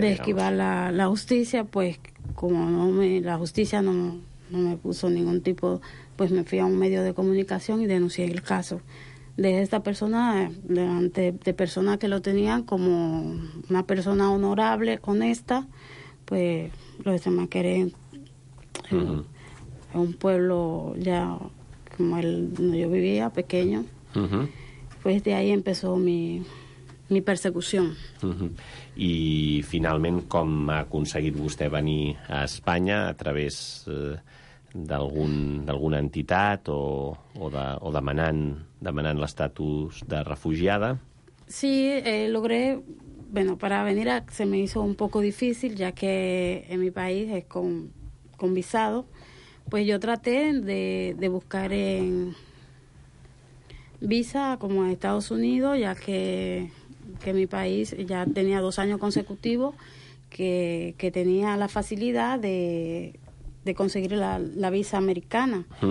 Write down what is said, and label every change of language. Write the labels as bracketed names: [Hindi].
[Spanish] De esquivar la justicia, pues como la justicia no me puso ningún tipo, pues me fui a un medio de comunicación y denuncié el caso de esta persona delante de personas que lo tenían como una persona honorable, honesta, pues los demás quieren... Es un pueblo ya como el donde yo vivía, pequeño. Pues de ahí empezó mi persecución. [Catalan] I finalment, com ha aconseguit vostè venir a Espanya? A través d'alguna entitat o demanant l'estatus de refugiada? [Spanish] Sí, logré... Bueno, para venir se me hizo un poco difícil, ya que en mi país es con visado. Pues yo traté de buscar en visa como en Estados Unidos, ya que mi país ya tenía 2 años consecutivos que tenía la facilidad de conseguir la visa americana.